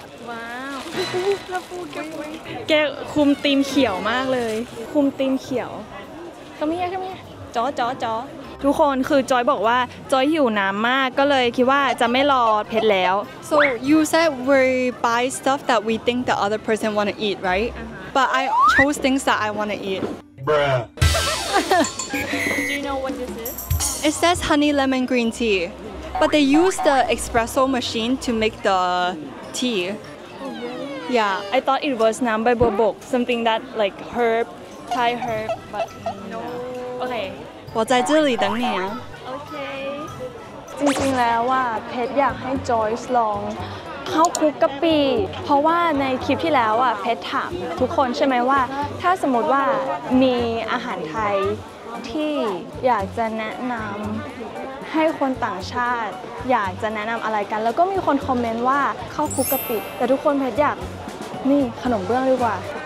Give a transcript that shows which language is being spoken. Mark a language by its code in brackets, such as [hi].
[th] ว้าว แล้วปูแ กแกคุมตีมเขียวมากเลยคุมตีมเขียว ทำไมแกทำไม จ้อจ้อจ้อทุกคนคือจอยบอกว่าจอยหิวน้ำมากก็เลยคิดว่าจะไม่รอเพชรแล้ว [en] so you said we buy stuff that we think the other person want to eat right uh-huh. but I chose things that I want to eat Do you know what this is? It says honey lemon green tea. But they use the espresso machine to make the tea. Yeah, I thought it was nambai bobok, something that like herb, Thai herb, but no. Okay. [zh] 我在这里等你啊. [en] Okay. [th] จริงๆแล้วว่าเพชรอยากให้ Joyce ลองข้าวคลุกกะปิเพราะว่าในคลิปที่แล้วอ่ะเพชรถามทุกคนใช่ไหมว่าถ้าสมมติว่ามีอาหารไทยที่อยากจะแนะนำให้คนต่างชาติอยากจะแนะนำอะไรกันแล้วก็มีคนคอมเมนต์ว่าข้าวคลุกกะปิแต่ทุกคนเพชรอยากนี่ขนมเบื้องดีกว่า